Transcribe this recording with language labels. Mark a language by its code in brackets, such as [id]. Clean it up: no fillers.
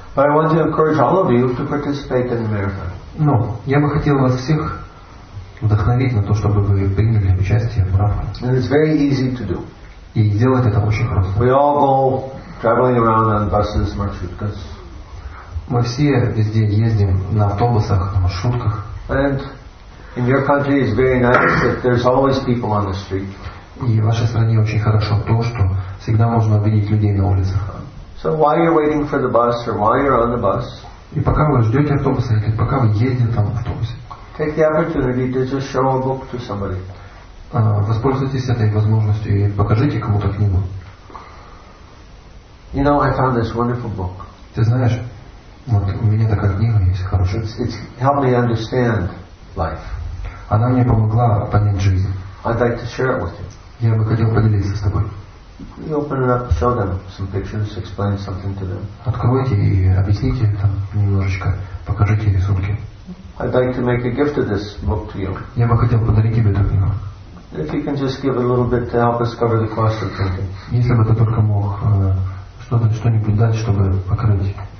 [en] But I want to encourage all of you to participate in the marathon. [ru] Но я бы хотел вас всех вдохновить на то, чтобы вы приняли участие в марафоне. [en] And it's very easy to do. [ru] И сделать это очень просто. [en] We all go traveling around on buses, маршруткас. [ru] Мы все везде ездим на автобусах, на маршрутках. [en] And in your country it's very nice that there's always people on the street. [ru] И в вашей стране очень хорошо то, что всегда можно увидеть людей на улицах. [en] So while you're waiting for the bus or while you're on the bus, [ru] и пока вы ждете автобуса или пока вы едете там в автобусе, [en] take the opportunity to just show a book to somebody. [ru] Воспользуйтесь этой возможностью и покажите кому-то книгу. [en] You know, I found this wonderful book. [ru] Ты знаешь? Вот у меня такая книга есть хорошая. [en] It's helped me understand life. [ru] Она мне помогла понять жизнь. [en] I'd like to share it with you. [ru] Я бы хотел поделиться с тобой. [en] You open it up, show them some pictures, explain something to them. [ru] Откройте и объясните там немножечко, покажите рисунки. [en] I'd like to make a gift of this book to you. [ru] Я бы хотел подарить тебе эту книгу. [en] If you can just give a little bit to help us cover the cost of printing. [ru] Если бы ты только мог что-нибудь дать, чтобы покрыть.